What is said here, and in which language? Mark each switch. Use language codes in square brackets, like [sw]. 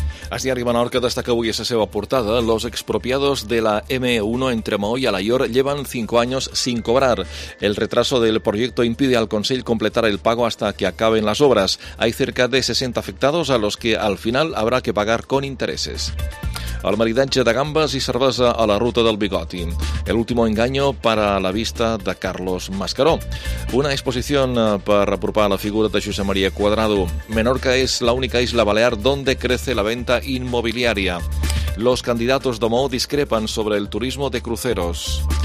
[ca] El diari Menorca destaca avui a la seva portada. [es] Los expropiados de la M1 entre Mahó i Alaior llevan 5 años sin cobrar. El retraso del proyecto impide al Consell completar el pago hasta que acaben las obras. Hay cerca de 60 afectados a los que al final habrá que pagar con intereses. [ca] El maridatge de gambes i cervesa a la ruta del bigoti. [es] El último engaño para la vista de Carlos Mascaró. Una exposición [ca] per apropar [es] la figura de José María Cuadrado. Menorca es la única isla balear donde crece la venta inmobiliaria. Los candidatos de Mou discrepan sobre el turismo de cruceros.